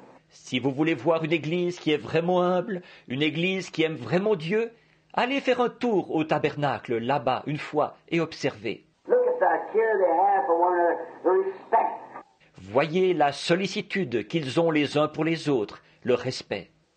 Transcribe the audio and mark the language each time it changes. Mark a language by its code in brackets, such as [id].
[fr] Si vous voulez voir une église qui est vraiment humble, une église qui aime vraiment Dieu, allez faire un tour au tabernacle là-bas une fois et observez. [en] Look at the care they have for one another, the respect. [fr] Voyez la sollicitude qu'ils ont les uns pour les autres, le respect.